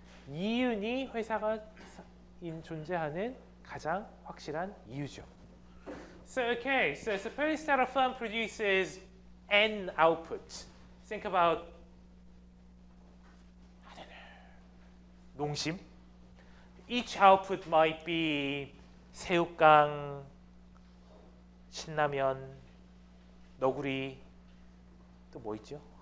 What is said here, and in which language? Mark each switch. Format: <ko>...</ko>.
<ko>이윤이 회사가 존재하는 가장 확실한 이유죠.</ko> <en>So, okay, so suppose that a firm produces N outputs. Think about, I don't know, 농심. Each output might be 새우깡, 신라면, 너구리, 또 뭐 있죠?</en>